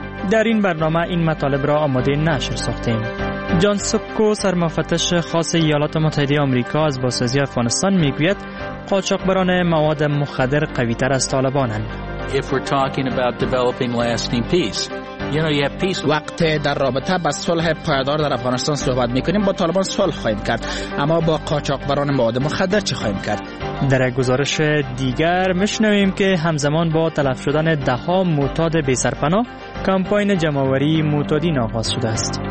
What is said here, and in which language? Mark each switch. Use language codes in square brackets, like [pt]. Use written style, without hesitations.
[fa] در این برنامه این مطالب را آماده نشر ساختیم. جان سوکو سرمفتش خاص ایالات متحده آمریکا از بازسازی افغانستان میگوید قاچاقبران مواد مخدر قوی تر از طالبانند. [en] If we're talking about developing lasting peace, you know, you have peace. [fa] وقت در رابطه با صلح پایدار در افغانستان صحبت میکنیم با طالبان صلح خواهیم کرد، اما با قاچاقبران مواد مخدر چه خواهیم کرد؟ در یک گزارش دیگر میشنویم که همزمان با تلف شدن ده ها معتاد بی سرپناه، کمپاین جمع‌آوری معتادین آغاز شده است.